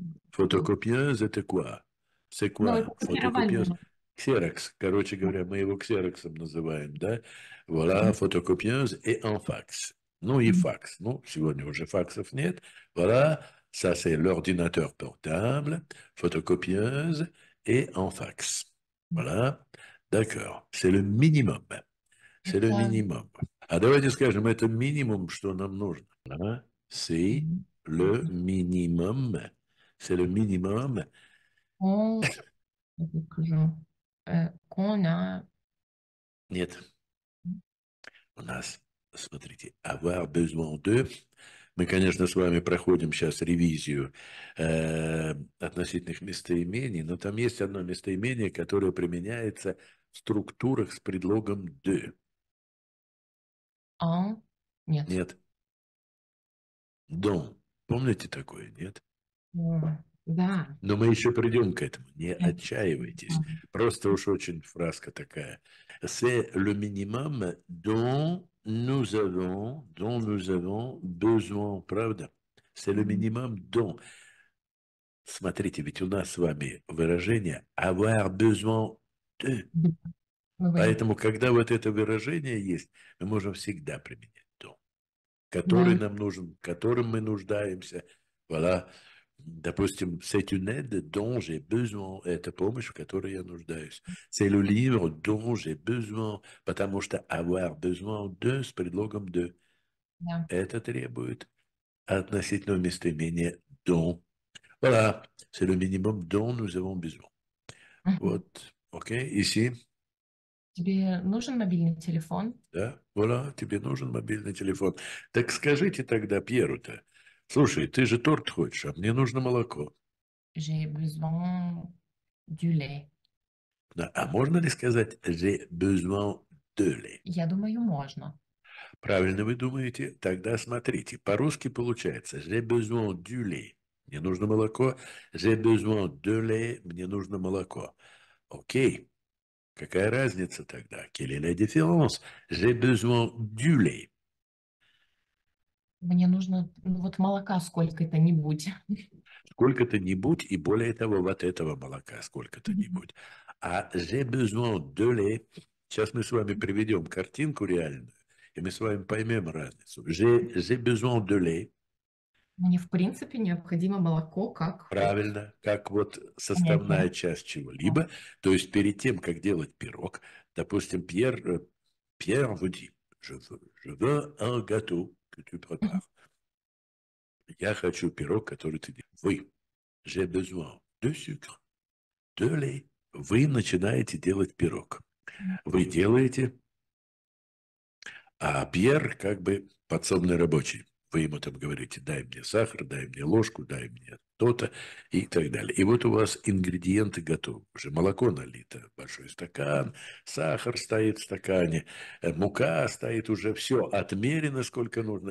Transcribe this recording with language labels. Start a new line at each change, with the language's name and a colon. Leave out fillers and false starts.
Russian: Фотокопьеза, это quoi?
French: C'est quoi? Фотокопьеза.
Russian: копировальный. Ксерокс. Короче говоря, мы его ксероксом называем, да?
French: Voilà, фотокопьеза и un fax.
Russian: Ну и факс. Ну, сегодня уже факсов нет.
French: Voilà. Ça, c'est l'ordinateur portable, photocopieuse et un fax. Voilà. D'accord. C'est le minimum. C'est le minimum. Alors,
Russian: давайте скажем, это минимум, что нам нужно.
French: C'est le minimum. C'est le minimum. Qu'on a.
Russian: Niet. У нас, смотрите,
French: avoir besoin de.
Russian: Мы, конечно, с вами проходим сейчас ревизию относительных местоимений, но там есть одно местоимение, которое применяется в структурах с предлогом de. Он нет. Нет. Дом. Помните такое? Нет? Да. Но мы еще придем к этому. Не отчаивайтесь. Просто уж очень фразка такая.
French: C'est le minimum dont nous avons besoin.
Russian: Правда?
French: C'est le minimum dont.
Russian: Смотрите, ведь у нас с вами выражение
French: avoir besoin de. Oui.
Russian: Поэтому, когда вот это выражение есть, мы можем всегда применять don, который Да. нам нужен, которым мы нуждаемся.
French: Voilà.
Russian: Допустим,
French: c'est une aide dont j'ai besoin.
Russian: Это помощь, в которой я нуждаюсь.
French: C'est le livre dont j'ai besoin.
Russian: Потому что
French: avoir besoin de
Russian: с предлогом
French: de.
Russian: Да. Это требует относительного местоимения dont.
French: Voilà. C'est le minimum dont nous avons besoin. Вот. OK. Ici.
Russian: Тебе нужен мобильный телефон? Да?
French: Voilà.
Russian: Тебе нужен мобильный телефон. Так скажите тогда Пьеру-то. Слушай, ты же торт хочешь, а мне нужно молоко.
French: J'ai besoin du lait.
Russian: А можно ли сказать
French: «j'ai besoin de lait»?
Russian: Я думаю, можно. Правильно вы думаете? Тогда смотрите, по-русски получается
French: «j'ai besoin du lait»
Russian: – «мне нужно молоко»,
French: «j'ai besoin de lait»
Russian: – «мне нужно молоко». Окей, какая разница тогда?
French: Quelle est la différence? «J'ai besoin du lait».
Russian: Мне нужно вот молока сколько-то-нибудь. Сколько-то нибудь, и более того, вот этого молока сколько-то нибудь. А
French: j'ai besoin de lait.
Russian: Сейчас мы с вами приведем картинку реальную, и мы с вами поймем разницу.
French: J'ai besoin de lait.
Russian: Мне, в принципе, необходимо молоко как Правильно, как вот составная понятие. часть чего-либо. То есть перед тем, как делать пирог, допустим, Пьер
French: vous dit, je veux un gâteau que tu prépares.
Russian: Я хочу пирог, который ты делаешь. Вы.
French: J'ai besoin de sucre, de lait.
Russian: Вы начинаете делать пирог. Вы делаете. А Пьер как бы подсобный рабочий. Вы ему там говорите, дай мне сахар, дай мне ложку, дай мне то-то и так далее. И вот у вас ингредиенты готовы. Уже молоко налито, большой стакан, сахар стоит в стакане, мука стоит уже, все отмерено, сколько нужно.